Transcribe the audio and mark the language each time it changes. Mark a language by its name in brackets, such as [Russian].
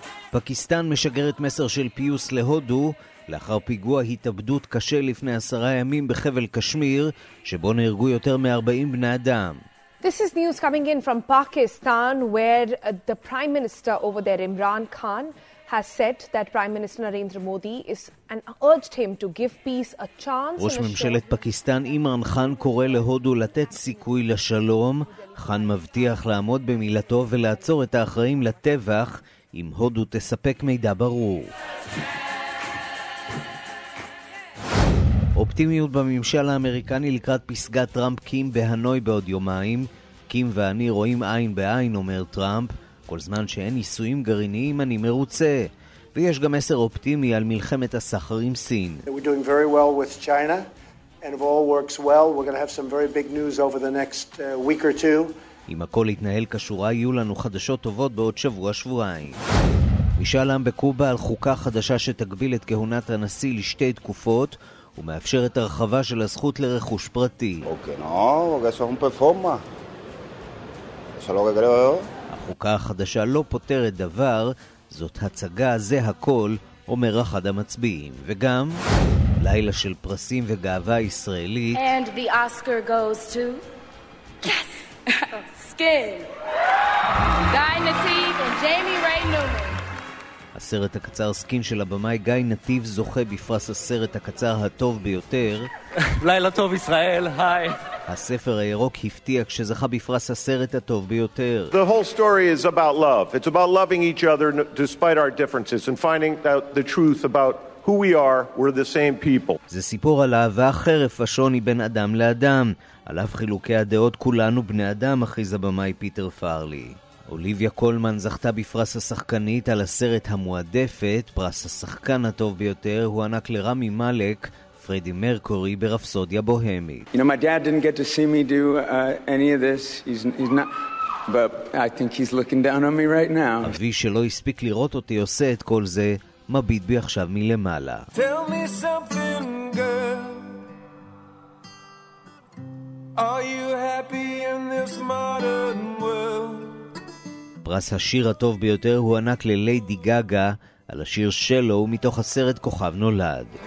[Hebrew] פקיסטן משגרת מסר של פיוס להודו לאחר פיגוע התאבדות קשה לפני 10 ימים בחבל קשמיר שבו נהרגו יותר מ-40 בני אדם. [English] This is news coming in from Pakistan where the Prime Minister over there Imran Khan has said that Prime Minister Narendra Modi is and urged him to give peace a chance. [Hebrew] ראש ממשלת פקיסטן אימרן חאן קורא להודו לתת סיכוי לשלום. חאן מבטיח לעמוד במילתו ולעצור את האחראים לטבח אם הודו תספק מידע ברור. אופטימיות בממשל האמריקני לקראת פסגת טראמפ קים בהנוי בעוד יומיים. קים ואני רואים עין בעין, אומר טראמפ, כל זמן שאין ניסויים גרעיניים אני מרוצה. ויש גם מסר אופטימי על מלחמת הסחר עם סין. [English] We're doing very well with China and if all works well we're going to have some very big news over the next week or two. [Hebrew] אם הכל יתנהל כשורה יהיו לנו חדשות טובות בעוד שבוע שבועיים. משאל עם בקובה על חוקה חדשה שתגביל את כהונת הנשיא לשתי תקופות ומאפשר את הרחבה של הזכות לרכוש פרטי. אוקיי, נו, זה לא פרפורמה. זה לא גדול. החוקה החדשה לא פותרת דבר, זאת הצגה, זה הכל, אומר אחד המצביעים. וגם לילה של פרסים וגאווה ישראלית. [English] And the Oscar goes to Skin. Guy Nativ and Jamie Ray Newman. [Hebrew] הסרט הקצר סקין של הבמאי גיא נתיב זוכה בפרס הסרט הקצר הטוב ביותר. לילה טוב ישראל, היי. הספר הירוק הפתיע כשזכה בפרס הסרט הטוב ביותר. [English] The whole story is about love. It's about loving each other despite our differences and finding out the truth about who we are. We're the same people. [Hebrew] זה סיפור על אהבה חרף השוני בין אדם לאדם. על אף חילוקי הדעות כולנו בני אדם, הכריז הבמאי פיטר פארלי. אוליביה קולמן זכתה בפרס השחקנית על הסרט המועדפת. פרס השחקן הטוב ביותר הוא ענק לרמי מלאק, פרדי מרקורי ברפסודיה בוהמית. [English] You know, my dad didn't get to see me do any of this. He's not... But I think he's looking down on me right now. [Hebrew] אבי שלא הספיק לראות אותי עושה את כל זה, מביט בי עכשיו מלמעלה. [English] Tell me something, are you happy in this modern world? [Hebrew] פרס השיר הטוב ביותר הוא ענק לליידי גאגה על השיר שלו מתוך הסרט כוכב נולד.